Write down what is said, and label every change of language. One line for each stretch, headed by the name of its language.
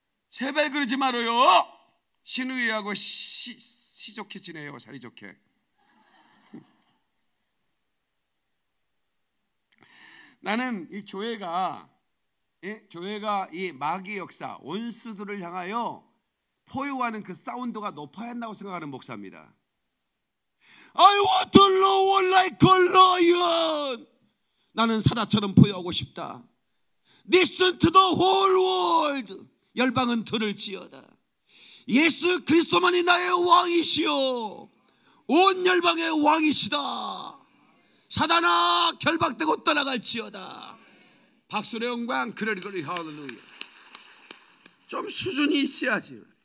Korean: 제발 그러지 말아요. 시누이하고 시 좋게 지내요. 사이좋게. 나는 이 교회가 예? 교회가 이 마귀 역사 원수들을 향하여 포효하는 그 사운드가 높아야 한다고 생각하는 목사입니다.
English: I want to roar like a lion.
Korean: 나는 사자처럼 포효하고 싶다.
English: Listen to the whole world.
Korean: 열방은 들을지어다. 예수 그리스도만이 나의 왕이시오. 온 열방의 왕이시다. 사단아 결박되고 떠나갈지어다. 박수로 영광 그르리그리 할렐루야. 좀 수준이 있어야지.